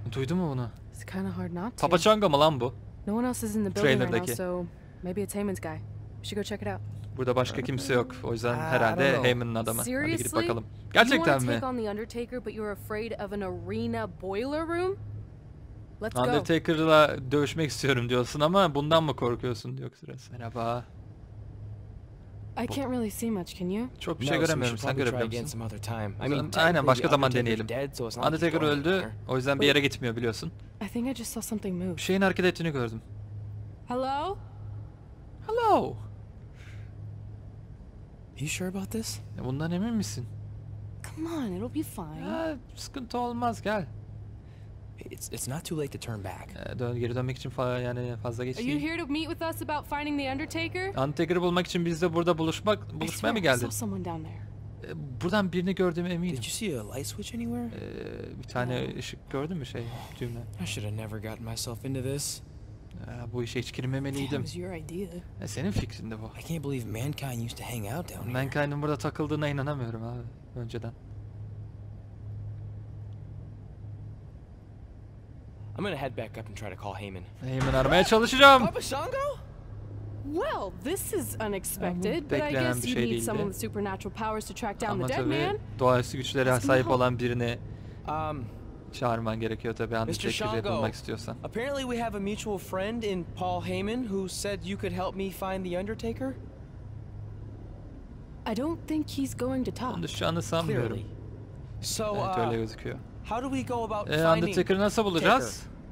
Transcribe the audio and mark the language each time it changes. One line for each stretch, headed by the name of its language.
Turkish: Duydun mu bunu?
English: It's kind of hard not to.
Turkish: Papa Chango mı lan bu?
English: No one else is in the building right now, so maybe it's Heyman's guy. We should go check it out.
Turkish: Burada başka kimse yok. O yüzden herhalde Heyman'ın adamı.
English: Seriously?
Turkish: Hadi gidip bakalım. Gerçekten mi?
English: You want to take on the Undertaker, but you're afraid of an arena boiler room? Let's go.
Turkish: Undertaker'la dövüşmek istiyorum diyorsun ama bundan mı korkuyorsun diyor Kıraz. Merhaba.
English: I can't really see much, can you?
Turkish: Çok bir şey göremiyorum. Sen görebiliyor musun? Aynen, başka zaman deneyelim. Undertaker öldü. O yüzden bir yere gitmiyor biliyorsun.
English: I think I just saw something move.
Turkish: Bir şeyin hareket ettiğini gördüm.
English: Hello? Hello. Are you sure about this?
Turkish: Bundan emin misin?
English: Come on, it'll be fine.
Turkish: Ya, sıkıntı olmaz, gel.
English: It's not too late to turn back.
Turkish: Geri dönmek için yani fazla geç değil.
English: Are you here to meet with us about finding the Undertaker?
Turkish: Undertaker'ı bulmak için bizle burada buluşmak, buluşmaya mı geldin?
English: I saw someone down there.
Turkish: Buradan birini gördüğüm eminim.
English: Did you see a light switch anywhere?
Turkish: Bir tane ışık gördün mü düğme?
English: I should have never gotten myself into this.
Turkish: Bu işe hiç girmemeliydim. Senin fikrin de bu.
English: I can't believe mankind used to hang out down here.
Turkish: Mankind'ın burada takıldığına inanamıyorum abi. Önceden.
English: I'm gonna head back up and try to call Heyman.
Turkish: Heyman aramaya çalışacağım.
English: Papa Shango? Well, this is unexpected, but I guess you need some of the supernatural powers to track down the dead man.
Turkish: Doğaüstü güçlere sahip olan birini çağırman gerekiyor tabii, hani tekrar bulmak istiyorsan.
English: Apparently we have a mutual friend in Paul Heyman who said you could help me find the Undertaker. I don't think he's going to talk.
Turkish: Dışarıda sanmıyorum.
English: So,
Turkish: evet, öyle gözüküyor.
English: How do we go about
Turkish: Undertaker'ı nasıl bulacağız?